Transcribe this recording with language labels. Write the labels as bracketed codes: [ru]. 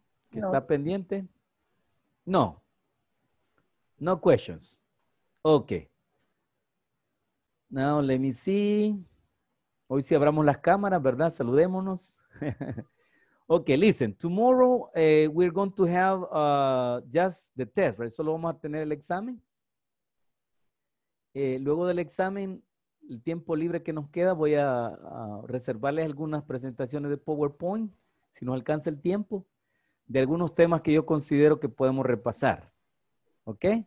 [es] ¿Que no. está pendiente? No. [en] No questions. Okay. Now, let me see. [es] Hoy sí abramos las cámaras, ¿verdad? Saludémonos. [en] Okay, listen. Tomorrow we're going to have just the test, right? [es] Solo vamos a tener el examen. Luego del examen, el tiempo libre que nos queda, voy a reservarles algunas presentaciones de PowerPoint, si nos alcanza el tiempo, de algunos temas que yo considero que podemos repasar. ¿Ok?